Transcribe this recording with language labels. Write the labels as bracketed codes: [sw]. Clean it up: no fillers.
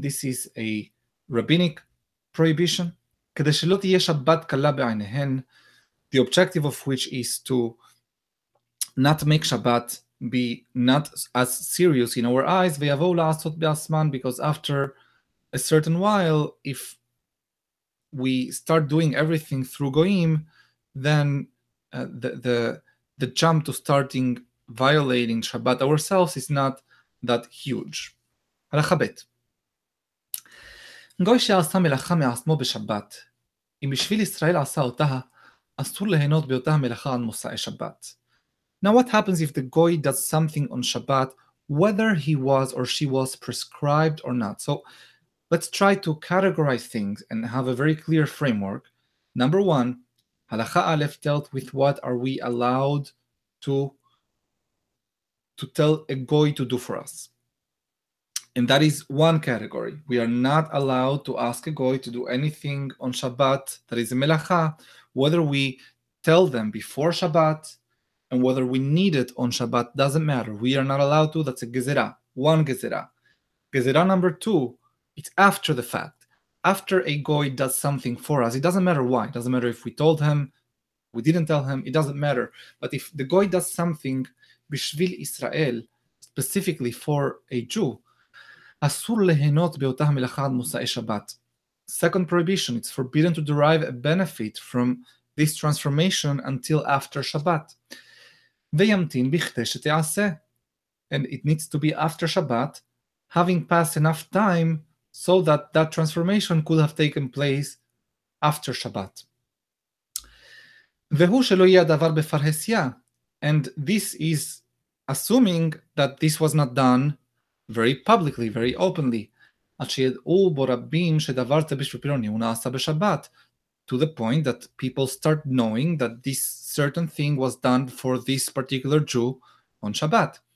[en] This is a rabbinic prohibition, [he] כדי שלא תהיה שבת קלה בעיניהן, [en] the objective of which is to not make Shabbat be not as serious in our eyes, [he] ויבואו לעשות בעצמן, [en] because after a certain while, if we start doing everything through goyim, then the jump to starting violating Shabbat ourselves is not that huge. הרחבת. [he] גוי שעשה מלאכה מעצמו בשבת, אם בשביל ישראל עשה אותה, אסור להנות באותה המלאכה על מוסעי שבת. [en] Now what happens if the goy does something on Shabbat, whether he was or she was prescribed or not? So let's try to categorize things and have a very clear framework. Number one, הלכה א' dealt with what are we allowed to tell a goy to do for us. And that is one category. We are not allowed to ask a goy to do anything on Shabbat that is a melacha, whether we tell them before Shabbat and whether we need it on Shabbat doesn't matter. We are not allowed to. That's a gezerah, one gezerah. Gezerah number two, it's after the fact. After a goy does something for us, it doesn't matter why. It doesn't matter if we told him, we didn't tell him, it doesn't matter. But if the goy does something bishvil Israel, specifically for a Jew, [he] אסור להנות באותה המלאכה עד מוסעי שבת. [en] Second prohibition, it's forbidden to derive a benefit from this transformation until after Shabbat. [he] וימתין בכדי שתעשה. [en] And it needs to be after Shabbat, having passed enough time so that that transformation could have taken place after Shabbat. [he] והוא שלא יהיה הדבר בפרהסיה. [en] And this is assuming that this was not done very publicly, very openly, to the point that people start knowing that this certain thing was done for this particular Jew on Shabbat.